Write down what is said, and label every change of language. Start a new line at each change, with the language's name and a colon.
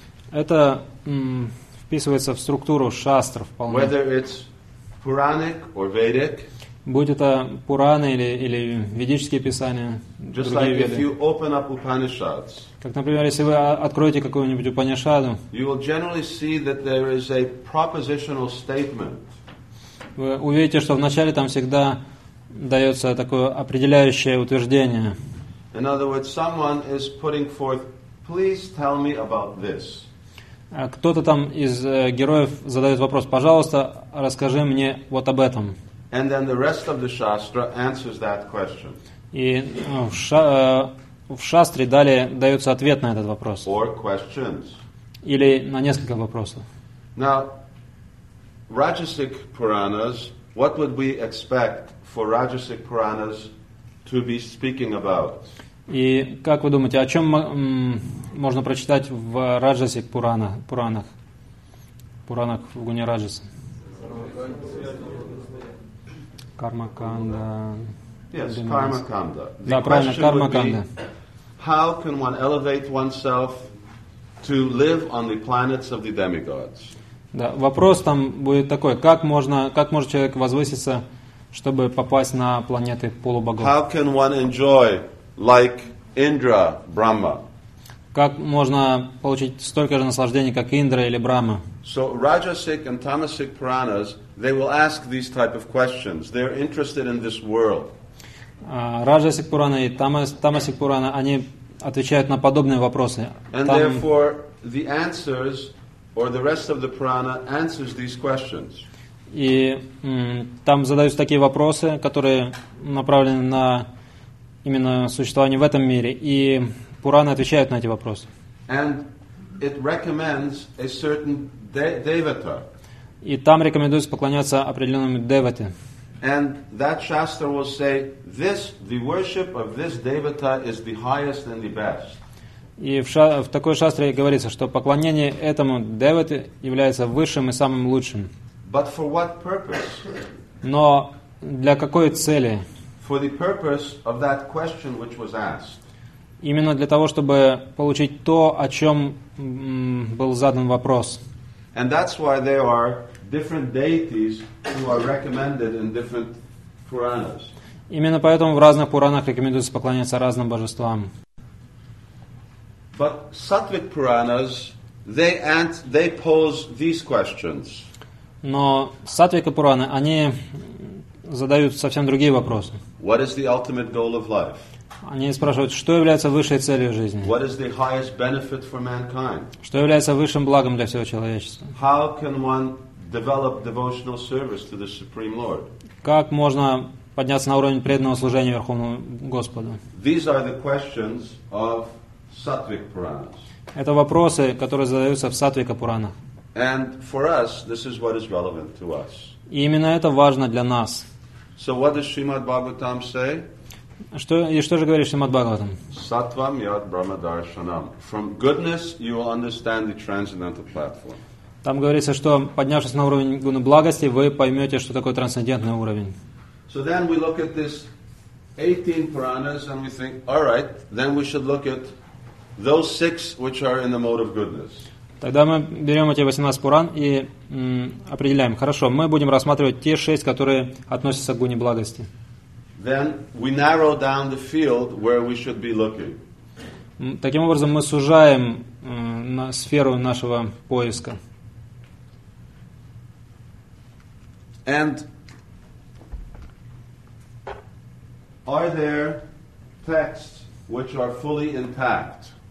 Russian: Это вписывается в структуру шастр вполне.
English: Whether it's Puranic or Vedic.
Russian: Будь это Пураны или ведические писания,
English: just
Russian: другие
English: like
Russian: веды.
English: If you open up Upanishads,
Russian: как, например, если вы откроете какую-нибудь Упанишаду,
English: you will generally see that there is a propositional statement.
Russian: Вы увидите, что вначале там всегда дается такое определяющее утверждение.
English: In other words, someone is putting forth, please tell me about this.
Russian: Кто-то там из героев задает вопрос, пожалуйста, расскажи мне вот об этом.
English: And then the rest of the shastra answers that question.
Russian: И в шастре далее дается ответ на этот вопрос.
English: Or questions.
Russian: Или на несколько вопросов.
English: Now, Rajasic Puranas, what would we expect for Rajasic Puranas to be speaking about?
Russian: И как вы думаете, о чем можно прочитать в Раджасик Пуранах? Пуранах в Гуне Раджас. Кармаканда.
English: Yes, кармаканда.
Russian: Да, правильно, кармаканда.
English: How can one elevate oneself to live on the planets of the demigods?
Russian: Да, вопрос там будет такой: как может человек возвыситься, чтобы попасть на планеты полубогов?
English: How can one enjoy like Indra, Brahma?
Russian: Как можно получить столько же наслаждений, как Индра или Брахма?
English: So Rajasic and Tamasic Puranas, they will ask these type of questions. They're interested in this world.
Russian: Rajasic Purana и Tamasic Purana, они отвечают на подобные вопросы.
English: And там... therefore, the answers or the rest of the Purana answers these questions.
Russian: И там задаются такие вопросы, которые направлены на именно существование в этом мире. И Пураны отвечают на эти вопросы.
English: And it recommends a certain devata.
Russian: И там рекомендуется поклоняться определенному девате.
English: And that shastra will say, this, the worship of this devata is the highest and the best.
Russian: И в такой шастре говорится, что поклонение этому девате является высшим и самым лучшим.
English: But for what purpose?
Russian: Но для какой цели?
English: For the purpose of that question which was asked.
Russian: Именно для того, чтобы получить то, о чем был задан вопрос.
English: And that's why there are different deities who are recommended in different Puranas.
Russian: Именно поэтому в разных Пуранах рекомендуется поклоняться разным божествам.
English: But Sattvic Puranas, they pose these questions.
Russian: Но Сатвика Пураны, они задают совсем другие вопросы.
English: What is the ultimate goal of life?
Russian: Они спрашивают, что является высшей целью жизни?
English: What is the highest benefit for mankind?
Russian: Что является высшим благом для всего человечества?
English: How can one develop devotional service to the Supreme Lord?
Russian: Как можно подняться на уровень преданного служения Верховному Господу?
English: These are the questions of Sattvic Puranas.
Russian: Это вопросы, которые задаются в Сатвика Пуранах.
English: And for us, this is what is relevant to us.
Russian: И именно это важно для нас.
English: So what does Srimad Bhagavatam say?
Russian: Что же говоришь Шримад Бхагаватам?
Sanskrit: Саттвам яд брахма даршанам.
English: From goodness you will understand the transcendental platform.
Russian: Там говорится, что поднявшись на уровень гуны благости, вы поймете, что такое трансцендентный уровень.
English: So then we look at this 18 Puranas and we think, all right, then we should look at those six which are in the mode of goodness.
Russian: Тогда мы берем эти 18 Пуран и определяем. Хорошо, мы будем рассматривать те 6, которые относятся к гуне благости.
English: Then we narrow down the field where we should be looking.
Russian: Таким образом, мы сужаем на сферу нашего поиска.
English: And are there texts which are fully intact?